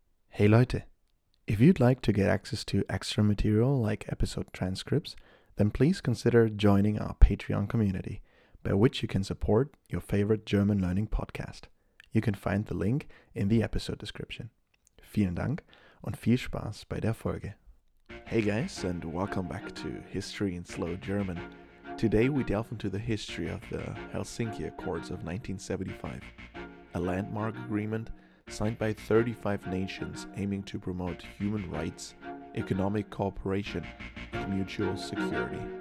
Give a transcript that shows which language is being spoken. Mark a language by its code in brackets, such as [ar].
[en] Hey Leute, if you'd like to get access to extra material like episode transcripts, then please consider joining our Patreon community, by which you can support your favorite German learning podcast. You can find the link in the episode description. [de] Vielen Dank und viel Spaß bei der Folge. [en] Hey guys, and welcome back to History in Slow German. Today we delve into the history of the Helsinki Accords of 1975, a landmark agreement signed by 35 nations aiming to promote human rights, economic cooperation, and mutual security.